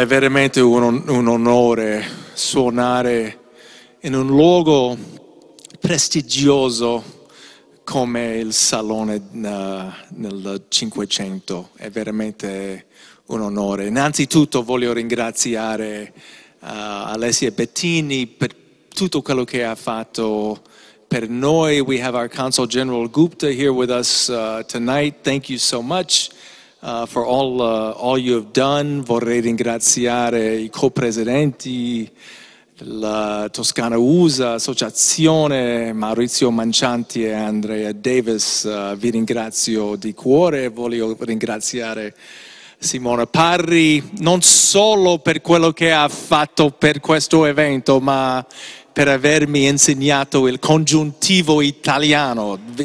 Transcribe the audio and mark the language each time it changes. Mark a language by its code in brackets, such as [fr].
[it] È veramente un onore suonare in un luogo prestigioso come il Salone nel 500. È veramente un onore. Innanzitutto voglio ringraziare Alessia Bettini per tutto quello che ha fatto per noi. [en] We have our Consul General Gupta here with us tonight. Thank you so much for all you have done. [it] Vorrei ringraziare i co-presidenti della Toscana USA Associazione, Maurizio Mancianti e Andrea Davis. Vi ringrazio di cuore. Voglio ringraziare Simona Pari non solo per quello che ha fatto per questo evento, ma per avermi insegnato il congiuntivo italiano.